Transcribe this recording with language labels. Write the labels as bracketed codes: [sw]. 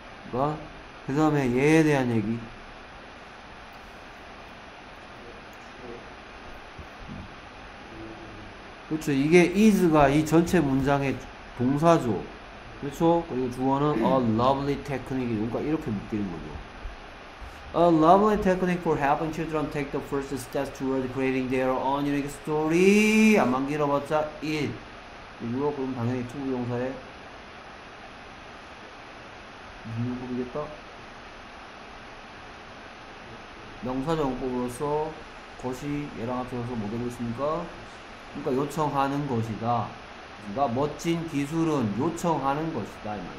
[ko] 그러니까 그 다음에 얘에 대한 얘기. 그렇죠. 이게 is가 이 전체 문장의 동사죠. 그렇죠. 그리고 주어는 a lovely technique이죠. 그러니까 이렇게 묶이는 거죠. [en] A lovely technique for helping children take the first steps toward creating their own unique story. [ko] 안만 길어봤자 it. 이거 그럼 당연히 to 동사에 무슨 소리겠다. 명사정법으로서 것이 얘랑 합쳐서 뭐 되고 있습니까? 그러니까 요청하는 것이다. 그러니까 멋진 기술은 요청하는 것이다.